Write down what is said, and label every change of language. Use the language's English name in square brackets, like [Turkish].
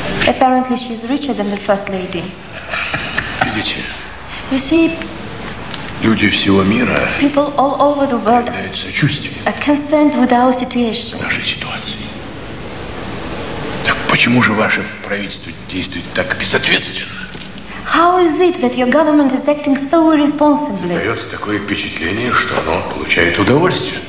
[English] Apparently she's richer than the first lady. [Russian] Видите? [English] You see. [Russian] Люди всего мира проявляют сочувствие [English] a concerned with our situation. [Russian] К нашей ситуации. Так почему же ваше правительство действует так безответственно? [English] How is it that your government is acting so irresponsibly? [Russian] Создается такое впечатление, что оно получает удовольствие.